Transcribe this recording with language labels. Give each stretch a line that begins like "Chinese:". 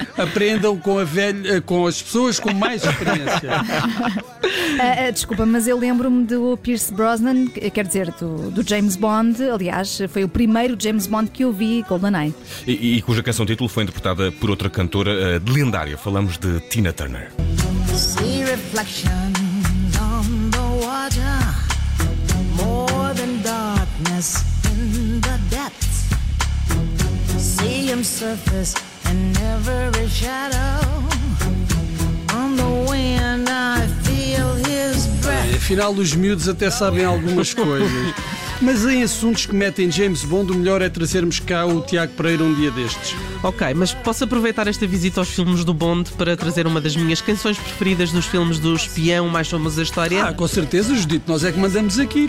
Portuguese: Aprendam com as pessoas com mais experiência. Desculpa, mas eu lembro-me do Pierce Brosnan, quer dizer, do James Bond. Aliás, foi o primeiro James Bond que eu vi, GoldenEye. E cuja canção-título foi interpretada por outra cantora lendária. Falamos de Tina Turner.
English: See reflections on the water, more than darkness in the depths. surface and every shadow. On the wind I feel his breath.
Portuguese: Bem, afinal, os miúdos até sabem algumas coisas. Mas em assuntos que metem James Bond, o melhor é trazermos cá o Tiago Pereira um dia destes. Ok, mas posso aproveitar esta visita aos filmes do Bond para trazer uma das minhas canções preferidas dos filmes do espião mais famoso da história? Ah, com certeza, Judito. Nós é que mandamos aqui.